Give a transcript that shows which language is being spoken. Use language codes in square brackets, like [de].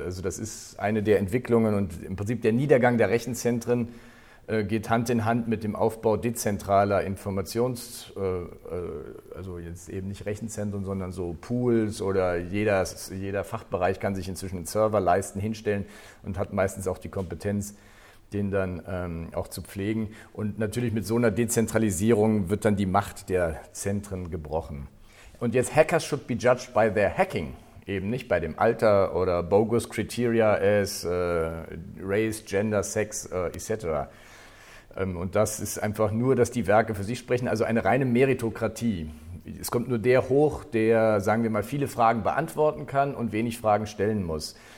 [de] Also das ist eine der Entwicklungen und im Prinzip der Niedergang der Rechenzentren geht Hand in Hand mit dem Aufbau dezentraler Informations, also jetzt eben nicht Rechenzentren, sondern so Pools oder jeder Fachbereich kann sich inzwischen einen Server leisten, hinstellen und hat meistens auch die Kompetenz, den dann auch zu pflegen. Und natürlich mit so einer Dezentralisierung wird dann die Macht der Zentren gebrochen. Und jetzt [en] Hackers should be judged by their hacking. [de] Eben nicht bei dem Alter oder [en] bogus criteria as race, gender, sex etc. [de] Und das ist einfach nur, dass die Werke für sich sprechen, also eine reine Meritokratie. Es kommt nur der hoch, der, sagen wir mal, viele Fragen beantworten kann und wenig Fragen stellen muss.